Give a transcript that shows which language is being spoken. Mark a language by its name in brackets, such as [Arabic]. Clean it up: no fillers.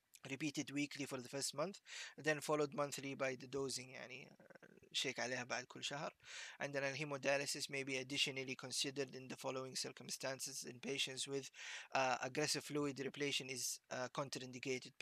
[English] Repeated weekly for the first month, then followed monthly by the dosing. [Arabic] يعني شيك عليها بعد كل شهر. [English] And then hemodialysis may be additionally considered in the following circumstances: in patients with aggressive fluid replacement is contraindicated.